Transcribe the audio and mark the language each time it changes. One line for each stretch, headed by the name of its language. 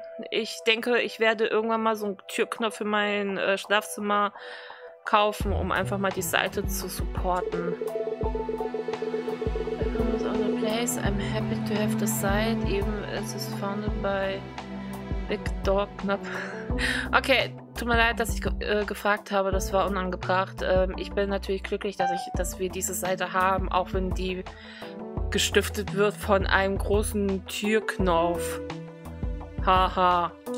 German: Ich denke, ich werde irgendwann mal so einen Türknopf für mein Schlafzimmer kaufen, um einfach mal die Seite zu supporten.
English: Everyone's on the place. I'm happy to have the site, even if it's founded by Big Dog Knopf.
German: Okay, tut mir leid, dass ich gefragt habe, das war unangebracht. Ich bin natürlich glücklich, dass wir diese Seite haben, auch wenn die gestiftet wird von einem großen Türknopf. Haha.